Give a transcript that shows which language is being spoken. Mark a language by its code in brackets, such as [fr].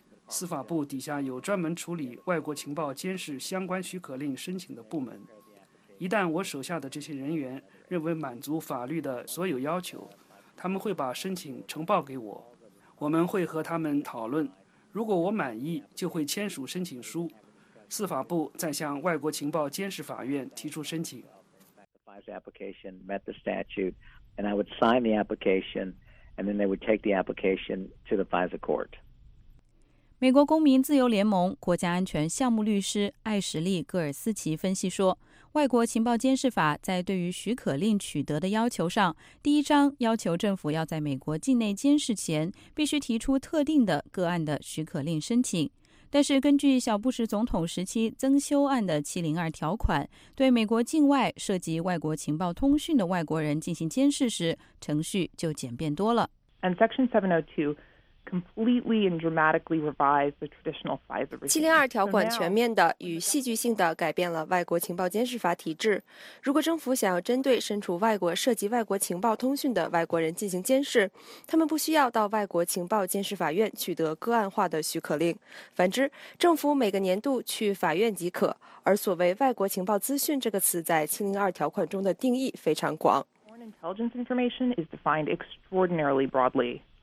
[zh] 司法部底下有专门处理外国情报监视相关许可令申请的部门，一旦我手下的这些人员认为满足法律的所有要求，他们会把申请呈报给我，我们会和他们讨论，如果我满意就会签署申请书，司法部再向外国情报监视法院提出申请。 [en] FISA application met the statute and I would sign the application and then they would take the application to the FISA court. [zh] 美国公民自由联盟国家安全项目律师艾什利·戈尔斯奇分析说，外国情报监视法在对于许可令取得的要求上，第一章要求政府要在美国境内监视前必须提出特定的个案的许可令申请，但是根据小布什总统时期增修案的702条款，对美国境外涉及外国情报通讯的外国人进行监视时，程序就简便多了。 [en] And Section 702completely and dramatically revised the traditional FISA regime. [zh] 702 条款全面的与戏剧性的改变了外国情报监视法体制。如果政府想要针对身处外国涉及外国情报通讯的外国人进行监视，他们不需要到外国情报监视法院取得个案化的许可令。反之，政府每个年度去法院即可。而所谓外国情报资讯这个词在702条款中的定义非常广。 [en] Foreign intelligence information is defined extraordinarily broadly.